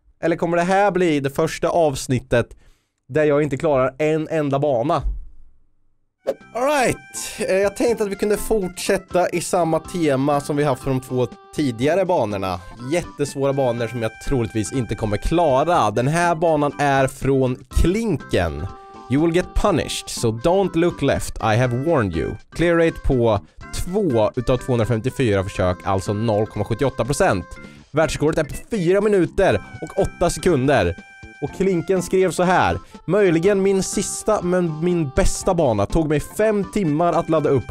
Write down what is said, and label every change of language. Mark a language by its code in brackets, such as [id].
[sv] Eller kommer det här bli det första avsnittet där jag inte klarar en enda bana? [en] All right! [sv] Jag tänkte att vi kunde fortsätta i samma tema som vi haft för de två tidigare banorna. Jättesvåra banor som jag troligtvis inte kommer klara. Den här banan är från Klinken. [en] You will get punished, so don't look left, I have warned you. [sv] Clear rate på 2 utav 254 försök, alltså 0,78%. Världsrekordet är på 4 minuter och 8 sekunder. Och Klinken skrev så här: möjligen min sista men min bästa bana, tog mig 5 timmar att ladda upp.